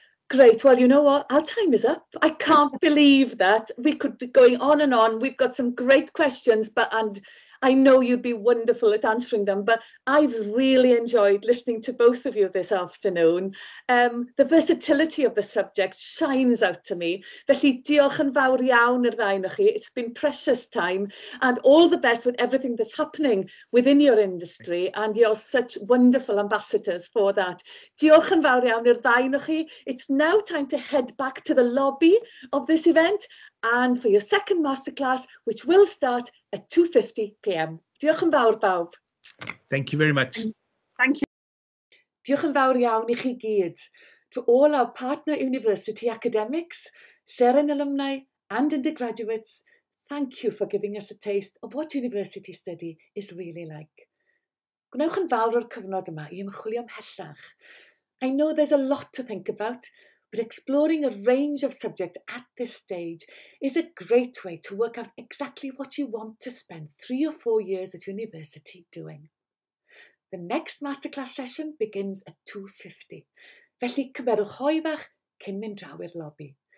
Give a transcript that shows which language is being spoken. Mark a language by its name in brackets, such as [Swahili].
[English] Great. Well, you know what? Our time is up. I can't believe that. We could be going on and on. We've got some great questions, and I know you'd be wonderful at answering them, but I've really enjoyed listening to both of you this afternoon. The versatility of the subject shines out to me. [Welsh] Felly, diolch yn fawr iawn i'r ddau ohonoch chi. [English] It's been precious time, and all the best with everything that's happening within your industry, and you're such wonderful ambassadors for that. [Welsh] Diolch yn fawr iawn i'r ddau ohonoch chi. [English] It's now time to head back to the lobby of this event and for your second masterclass, which will start at 2:50 p.m. [Welsh] Diolch yn fawr, bawb. [English] Thank you very much. Thank you. [Welsh] Diolch yn fawr iawn i chi gyd. [English] To all our partner university academics, Seren alumni and undergraduates, thank you for giving us a taste of what university study is really like. [Welsh] Gwnewch yn fawr o'r cyfnod yma i ymchwilio ymhellach. [English] I know there's a lot to think about, but exploring a range of subjects at this stage is a great way to work out exactly what you want to spend 3 or 4 years at university doing. The next masterclass session begins at 2:50. [Welsh] Felly cymerwch hoi fach cyn mynd draw i'r lobby.